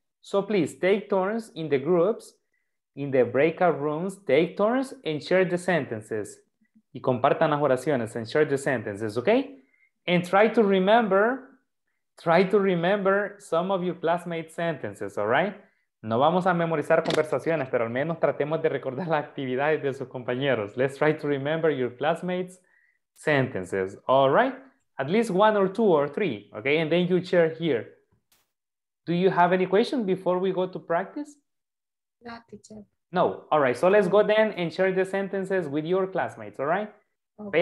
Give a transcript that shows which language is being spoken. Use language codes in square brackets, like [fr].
[en] So please take turns in the groups, in the breakout rooms, take turns and share the sentences. [es] Y compartan las oraciones [en] and share the sentences, okay? And try to remember some of your classmates' sentences, all right? [es] No vamos a memorizar conversaciones, pero al menos tratemos de recordar las actividades de sus compañeros. [en] Let's try to remember your classmates' sentences, all right? At least one or two or three, okay? And then you share here. Do you have any questions before we go to practice? No, teacher. No, all right. So let's go then and share the sentences with your classmates, all right? Okay.